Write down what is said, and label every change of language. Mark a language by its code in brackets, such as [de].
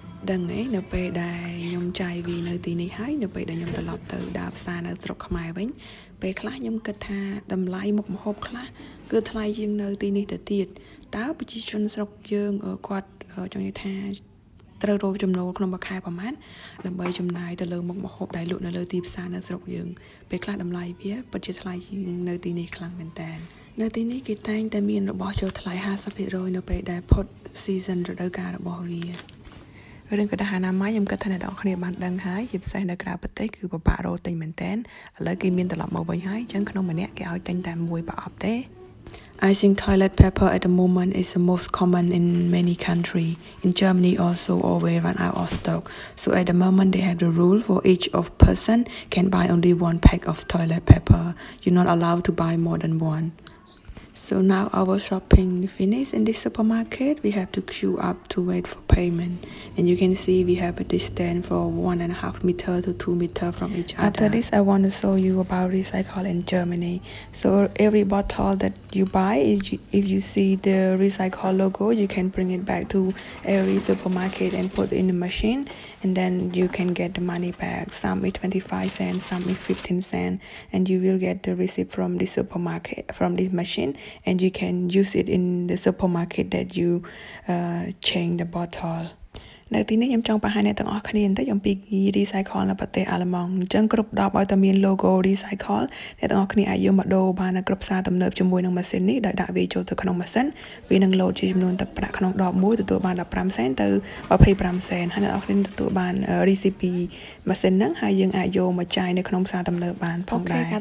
[km] ដឹងអីនៅពេលដែលខ្ញុំចាយវានៅទីនេះហើយនៅពេលដែលខ្ញុំត្រឡប់ទៅដើរផ្សារនៅស្រុកខ្មែរវិញពេលខ្លះខ្ញុំគិតថាតម្លៃមុខម្ហូបខ្លះគឺថ្លៃជាងនៅទីនេះទៅទៀតតើប្រជាជនស្រុកយើងគាត់ចង់និយាយថាត្រូវរកចំណូលក្នុងមួយខែប្រហែលដើម្បីចំណាយទៅលើមុខម្ហូបដែលលក់នៅលើទីផ្សារនៅស្រុកយើងពេលខ្លះតម្លៃវាពិតជាថ្លៃជាងនៅទីនេះខ្លាំងមែនតើនៅទីនេះគេតែងតែមានរបស់ចូលថ្លៃ 50% នៅពេលដែលផុត season រដូវកាលរបស់វា រឿងក្តារអនាម័យខ្ញុំគិតថាអ្នកទាំងអស់គ្នាបានដឹងហើយជាពិសេសនៅក្រៅប្រទេសគឺពិបាករកទិញមែនទែនឥឡូវគេមានត្រឡប់មកវិញហើយអញ្ចឹងក្នុងម្នាក់គេឲ្យទិញតែមួយប្រអប់ទេ [en] I think toilet paper at the moment is the most common in many countries. In Germany also always run out of stock. So at the moment they have the rule for each of person can buy only one pack of toilet paper. You're not allowed to buy more than one. So now our shopping finished in this supermarket, we have to queue up to wait for payment. And you can see we have a distance for 1.5 meter to 2 meter from each other. After this, I want to show you about recycle in Germany. So every bottle that you buy, if you see the recycle logo, you can bring it back to every supermarket and put in the machine. And then you can get the money back. Some is 25 cents, some is 15 cents. And you will get the receipt from the supermarket, from this machine. And you can use it in the supermarket that you change the bottle. [km] នៅទីនេះខ្ញុំចង់បង្ហាញអ្នកទាំងអស់គ្នាបន្តិចអំពី recycle នៅប្រទេសអាល្លឺម៉ង់អញ្ចឹងគ្រប់ដបឲ្យតែមាន logo recycle អ្នកទាំងអស់គ្នាអាចយកមកដូរបាននៅគ្រប់ផ្សារទំនើបជាមួយនឹងម៉ាស៊ីននេះដោយដាក់វាចូលទៅក្នុងម៉ាស៊ីនវានឹង load ជាចំនួនទឹកប្រាក់ក្នុងដបមួយទទួលបាន15សេនទៅ25សេនហើយអ្នកទាំងអស់គ្នាទទួលបាន recipe ម៉ាស៊ីនហ្នឹងហើយយើងអាចយកមកចាយនៅក្នុងផ្សារទំនើបបានផងដែរ